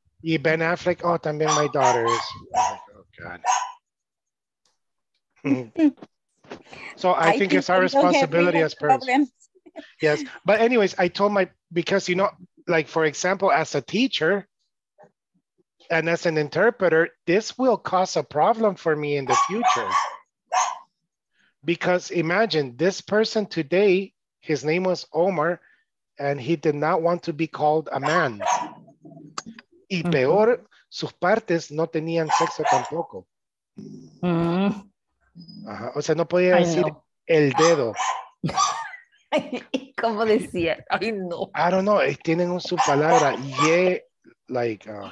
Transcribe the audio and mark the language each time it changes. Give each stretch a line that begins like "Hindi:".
English: Y Ben Affleck, oh, también my daughter is. Oh, God. So I think it's our responsibility as parents. Yes, but anyways, I told my, because you know, like for example, as a teacher and as an interpreter, this will cause a problem for me in the future. Because imagine this person today, his name was Omar, and he did not want to be called a man.
Spanish: Y peor, sus partes no tenían sexo tampoco. Mm-hmm. Ajá. O sea, no podía decir el dedo. ¿Cómo decía? Ay, no.
English: I don't know.
Spanish: Tienen un subpalabra.
English: Ye, like.